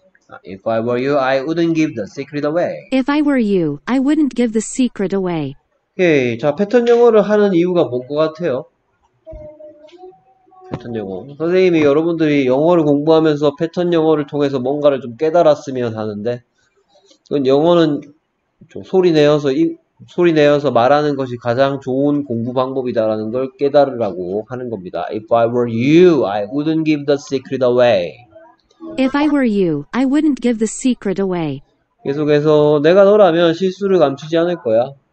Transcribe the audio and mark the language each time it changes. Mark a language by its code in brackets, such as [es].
[en] 아, if I were you, I wouldn't give the secret away. If I were you, I wouldn't give the secret away. [ko] 오케이, 자 패턴 영어를 하는 이유가 뭔 것 같아요? 패턴 영어. 선생님이 여러분들이 영어를 공부하면서 패턴 영어를 통해서 뭔가를 좀 깨달았으면 하는데, 그건 영어는 좀 소리 내어서 말하는 것이 가장 좋은 공부 방법이다라는 걸 깨달으라고 하는 겁니다. [en] If I were you, I wouldn't give the secret away. If I were you, I wouldn't give the secret away. [ko] 계속해서 내가 너라면 실수를 감추지 않을 거야.